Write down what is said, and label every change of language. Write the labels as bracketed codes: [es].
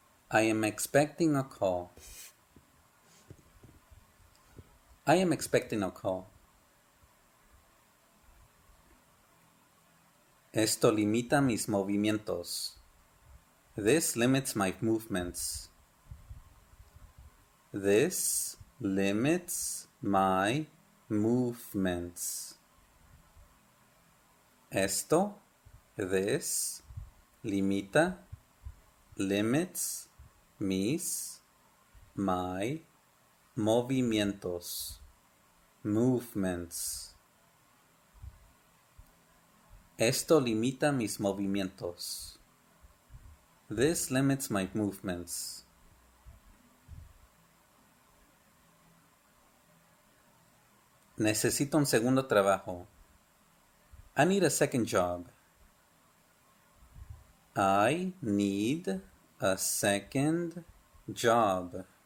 [en] I am expecting a call. I am expecting a call. [es] Esto limita mis movimientos. [en] This limits my movements. This limits my movements. [es] Esto, [en] this, [es] limita, [en] limits [es] mis, [en] my, [es] movimientos, [en] movements. [es] Esto limita mis movimientos. [en] This limits my movements. [es] Necesito un segundo trabajo. [en] I need a second job. I need a second job.